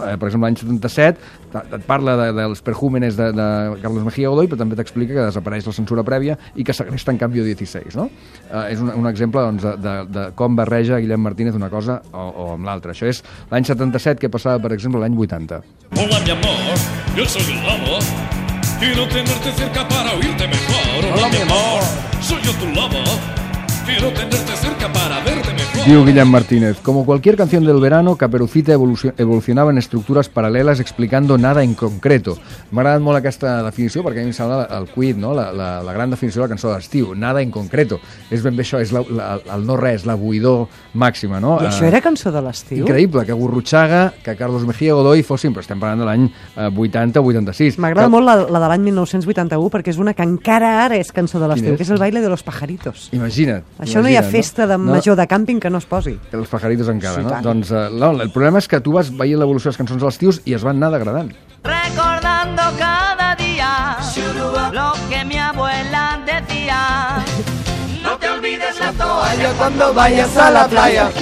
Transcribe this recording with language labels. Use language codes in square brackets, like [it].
[ca] Per exemple, l'any 77 et parla dels perjúmenes de Carlos Mejía Godoy, però també t'explica que desapareix la censura prèvia i que segresta en canvi 16, no? És un exemple, doncs, de com barreja Guillem Martínez una cosa o amb l'altra. Això és l'any 77, que passava, per exemple, l'any 80. [es] Hola, mi amor, yo soy el lobo y no tenerte cerca para oírte mejor. Hola, mi amor, soy yo tu lobo quiero tenerte cerca para verte mejor. [ca] Diu Guillem Martínez, [es] como cualquier canción del verano, Caperucita evolucionaba en estructuras paralelas explicando nada en concreto. [ca] M'ha agradat molt aquesta definició perquè a mi em sembla el quid, no? la gran definició de la cançó d'estiu, [es] nada en concreto. [ca] És ben bé això, és el no res, la buidor màxima, no? I això era cançó de l'estiu? Increïble, que Gurrutxaga, que Carlos Mejía Godoy fossin, però estem parlant de l'any 80-86. M'agrada molt la de l'any 1981 perquè és una que encara ara és cançó de l'estiu, que és el baile de los pajaritos. Imagina't. Això no hi ha festa de major de càmping que no es posi. Els pajaritos encara, sí, no? Tant. Doncs el problema és que tu vas veient l'evolució de les cançons de l'estiu i es van anar degradant. [es] Recordando cada día lo que mi abuela decía. No te olvides la toalla cuando vayas a la playa.